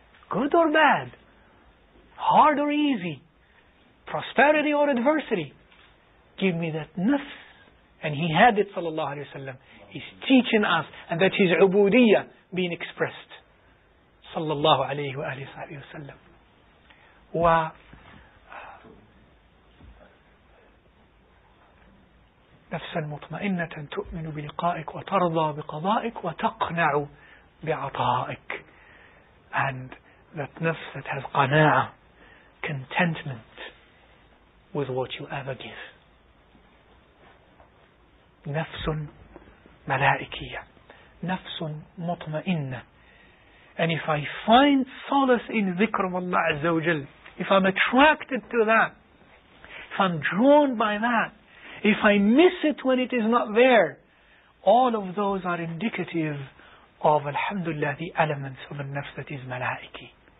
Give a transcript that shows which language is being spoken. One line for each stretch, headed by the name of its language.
English: Good or bad, hard or easy, prosperity or adversity, give me that nafs. And he had it, sallallahu alayhi wa sallam. He's teaching us, and that his ubudiyya being expressed. Sallallahu alayhi wa sallam.
Arabic: Wa نفسا مطمئنة تؤمن بلقائك وترضى بقضائك وتقنع بعطائك.
English: And that nafs that has qana'a, contentment with what you ever give.
Arabic: نفس ملائكية نفس مطمئنة.
English: And if I find solace in
Arabic: ذكر الله عز وجل,
English: if I'm attracted to that, if I'm drawn by that, if I miss it when it is not there, all of those are indicative of, alhamdulillah, the elements of a nafs that is malaiki.